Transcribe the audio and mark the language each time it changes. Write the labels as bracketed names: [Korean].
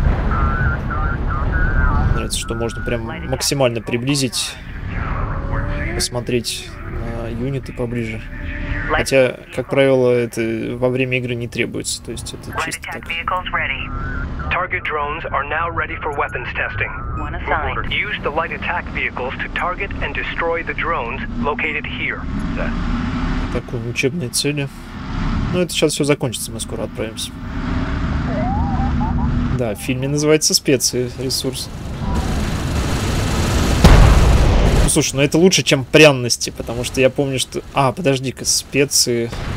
[Russian] Мне нравится, что можно прям максимально приблизить, посмотреть на юниты поближе. Хотя, как правило, это во время игры не требуется, то есть это чисто так. [English] Target drones are now ready for weapons testing. One assigned. Use the light attack vehicles to target and destroy the drones located here. [Russian] Такой учебной цели. Ну, это сейчас все закончится, мы скоро отправимся. Да, в фильме называется «Специи. Ресурс». Ну, слушай, ну это лучше, чем пряности, потому что я помню, что... А, подожди-ка, специи...